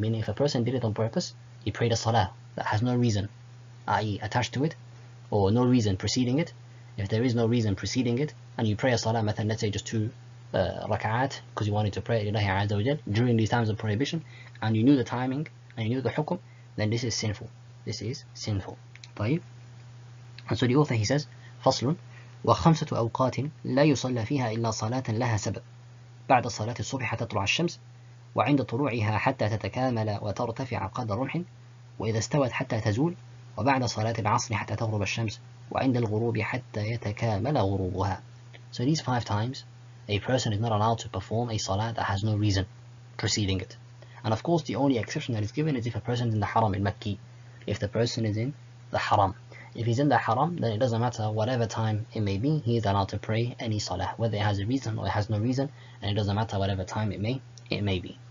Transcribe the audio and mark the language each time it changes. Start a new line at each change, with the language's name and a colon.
English: Meaning if a person did it on purpose, he prayed a salah that has no reason, i.e. attached to it, or no reason preceding it. If there is no reason preceding it, and you pray a salah, مثلا, let's say just two raka'at, because you wanted to pray ilahi azza wa jal during these times of prohibition, and you knew the timing, and you knew the hukum, then this is sinful. This is sinful. طيب. And so the author, he says,
Arabic: فَصْلٌ وَخَمْسَةُ أَوْقَاتٍ لَا يُصَلَّ فِيهَا إِلَّا صَلَاةً لَهَا سَبَبٍ بَعْدَ الصَّلَاةِ الصُّبْحَ تَطْلُعَ الشَّمْسِ وعند طلوعها حتى تتكامل وترتفع قدر رمح وإذا استوت حتى تزول وبعد صلاة العصر حتى تغرب الشمس وعند الغروب حتى يتكامل غروبها.
English: So these five times, a person is not allowed to perform a salah that has no reason preceding it. And of course, the only exception that is given is if a person is in the haram in Makki. If the person is in the haram. If he's in the haram, then it doesn't matter whatever time it may be, he is allowed to pray any salah, whether it has a reason or it has no reason, and it doesn't matter whatever time it may be.